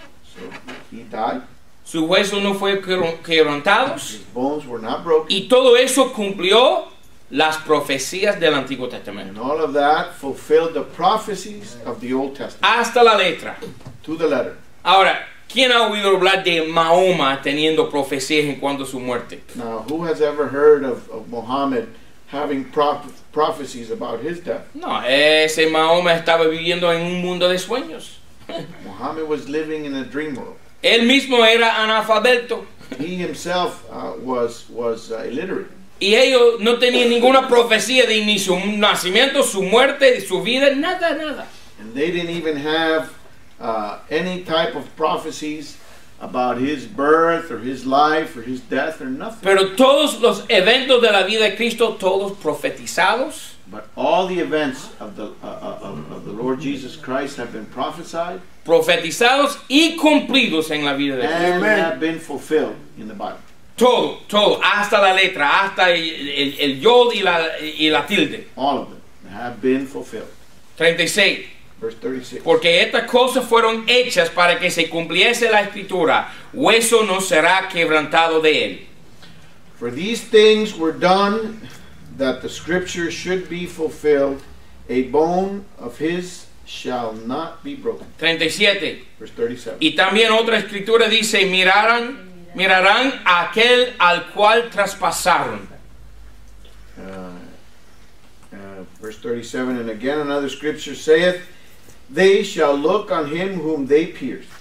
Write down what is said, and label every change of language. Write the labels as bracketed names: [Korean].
[English] So he died. [Spanish] Su hueso no fue quebrantado. [English] His bones were not broken. [Spanish] Y todo eso cumplió las profecías del Antiguo Testamento. [English] And all of that fulfilled the prophecies of the Old Testament. [Spanish] Hasta la letra. [English] To the letter. [Spanish] Ahora, ¿quién ha oído hablar de Mahoma teniendo profecías en cuanto a su muerte? [English] Now, who has ever heard of Muhammad having prophecies about his death? [Spanish] No, ese Mahoma estaba viviendo en un mundo de sueños. [English] Muhammad was living in a dream world. [Spanish] Él mismo era analfabeto. [English] He himself was illiterate. [Spanish] Y ellos no tenían ninguna profecía de ni su nacimiento, su muerte, su vida, nada, nada. [English] And they didn't even have any type of prophecies about his birth or his life or his death or nothing. [Spanish] Pero todos los eventos de la vida de Cristo, todos profetizados. [English] But all the events of the Lord Jesus Christ have been prophesied. [Spanish] Profetizados y cumplidos en la vida de Cristo. [English] And they have been fulfilled in the Bible. [Spanish] Todo, todo, hasta la letra, hasta el yod y la tilde. [English] All of them have been fulfilled. [Spanish] 36. [English] Verse 36. [Spanish] Porque estas cosas fueron hechas para que se cumpliese la escritura. Hueso no será quebrantado de él. [English] For these things were done that the scripture should be fulfilled. A bone of his shall not be broken. [Spanish] 37. [English] Verse 37. [Spanish] Y también otra escritura dice, mirarán a aquel al cual traspasaron. [English] Verse 37, and again another scripture saith, they shall look on him whom they pierced.